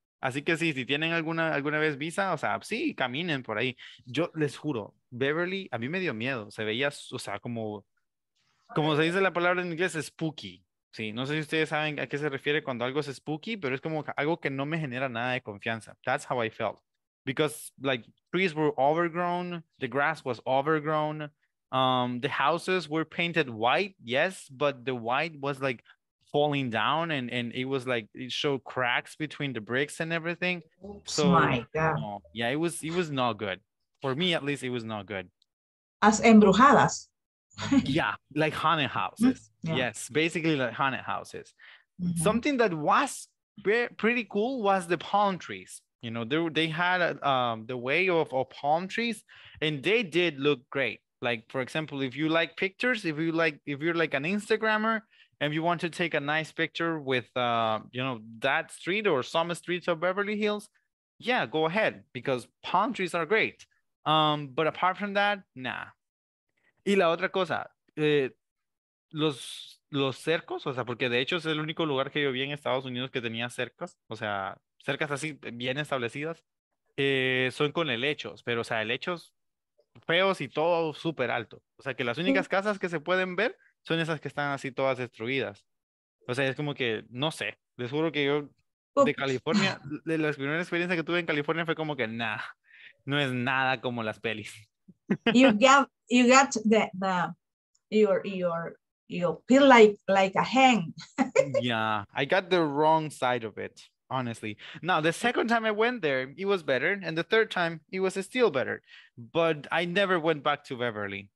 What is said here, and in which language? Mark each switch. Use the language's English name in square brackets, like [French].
[Spanish] Así que sí, si tienen alguna vez visa, o sea, sí, caminen por ahí. Yo les juro, Beverly, a mí me dio miedo. Se veía, o sea, como se dice la palabra en inglés, spooky. Sí, no sé si ustedes saben a qué se refiere cuando algo es spooky, pero es como algo que no me genera nada de confianza. [English] That's how I felt. Because, like, trees were overgrown, the grass was overgrown. The houses were painted white, yes, but the white was like falling down and it was like it showed cracks between the bricks and everything. Oops, so my God. No, yeah, it was not good. For me at least, it was not good. [Spanish] As embrujadas. [English] Yeah, like haunted houses. Yeah. Yes, basically like haunted houses. Mm-hmm. Something that was pretty cool was the palm trees. You know, they had the way of palm trees, and they did look great. Like, for example, if you like pictures, if you're like an Instagrammer and you want to take a nice picture with, you know, that street or some streets of Beverly Hills, yeah, go ahead, because palm trees are great. But apart from that, nah. [Spanish] Y la otra cosa, los cercos, o sea, porque de hecho es el único lugar que yo vi en Estados Unidos que tenía cercas, o sea, cercas así bien establecidas, son con helechos, pero o sea, helechos feos y todo súper alto. O sea, que las únicas casas que se pueden ver son esas que están así todas destruidas. O sea, es como que, no sé, les juro que yo de California, de la primera experiencia que tuve en California fue como que, nah, no es nada como las pelis. [English] You got the you feel like a hen. Yeah, I got the wrong side of it, honestly. Now, the second time I went there, it was better. And the third time, it was still better. But I never went back to Beverly.